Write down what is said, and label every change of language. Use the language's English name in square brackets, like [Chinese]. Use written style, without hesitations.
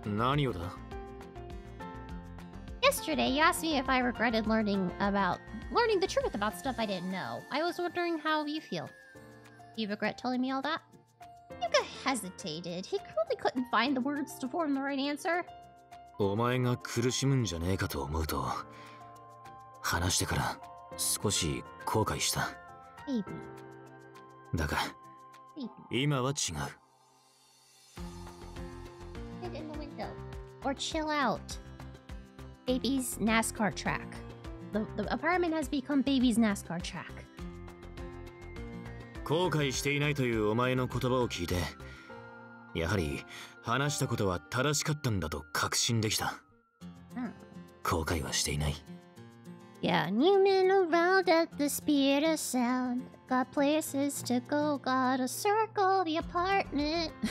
[Japanese] 何をだ? [English] Yesterday, you asked me if I regretted learning the truth about stuff I didn't know. I was wondering how you feel. You regret telling me all that? Hyuga hesitated. He clearly couldn't find the words to form the right answer. [Japanese] お前が苦しむんじゃねえかと思うと、話してから少し後悔した。 [English] Maybe. [Japanese] だが、今は違う。 [English] Sit in the window. Or chill out. Baby's NASCAR track. The apartment has become baby's NASCAR track. [Japanese] 後悔していないというお前の言葉を聞いて、やはり話したことは正しかったんだと確信できた。後悔はしていない。 [English] Yeah, new men around at the speed of sound. Got places to go, gotta circle the apartment.